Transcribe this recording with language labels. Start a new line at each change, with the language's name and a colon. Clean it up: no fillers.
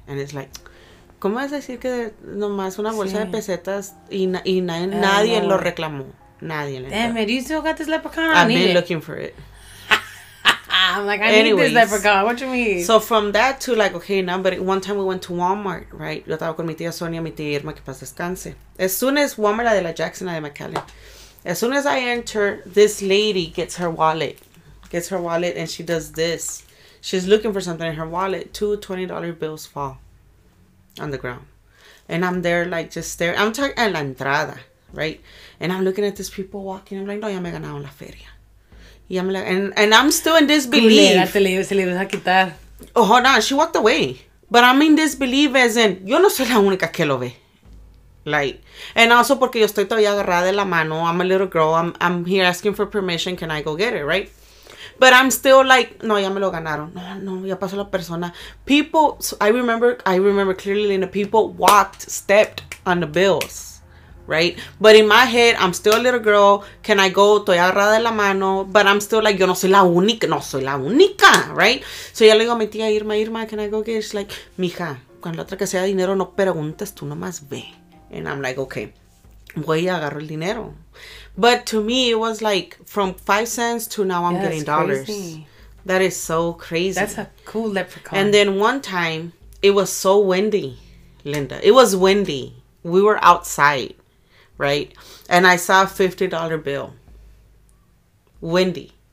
Spanish: And it's like, ¿cómo vas a decir que nomás una bolsa sí. de pesetas y nadie lo reclamó? Nadie.
English: Damn it, you still got this leprechaun? I've been looking for it. I'm like, I need this leprechaun. What you mean? So from that to like, okay, now, but one time we went to Walmart, right?
Spanish: Yo estaba con mi tía Sonia, mi tía Irma, que paz descanse.
English: As soon as Walmart,
Spanish: la de la Jackson, la de McAllen.
English: As soon as I enter, this lady gets her wallet. Gets her wallet and she does this. She's looking for something in her wallet. Two $20 bills fall on the ground. And I'm there, like, just staring. I'm talking,
Spanish: a la entrada,
English: right? And I'm looking at these people walking. I'm like,
Spanish: no, ya me ganaron la feria. Y
English: I'm like, and I'm still in disbelief.
Spanish: Se le ibas a quitar.
English: Oh, hold on. She walked away. But I'm in disbelief as in,
Spanish: yo no soy la única que lo ve.
English: Like, and also
Spanish: porque yo estoy todavía agarrada de la mano.
English: I'm a little girl. I'm here asking for permission. Can I go get it, right? But I'm still like,
Spanish: no, ya me lo ganaron. No, ya pasó la persona.
English: I remember clearly, Linda, people walked, stepped on the bills, right? But in my head, I'm still a little girl. Can I go?
Spanish: Estoy agarrada de la mano.
English: But I'm still like,
Spanish: yo no soy la única, right?
English: So
Spanish: ya le digo a mi tía,
English: Irma, can I go get it? She's like,
Spanish: mija, cuando la otra que sea dinero, no preguntes, tú nomás ve.
English: And I'm like, okay,
Spanish: voy a agarrar el dinero.
English: But to me, it was like from 5 cents to now I'm getting dollars. Crazy. That is so crazy. That's a cool leprechaun. And then one time, it was so windy, Linda. It was windy. We were outside, right? And I saw a $50 bill. Windy.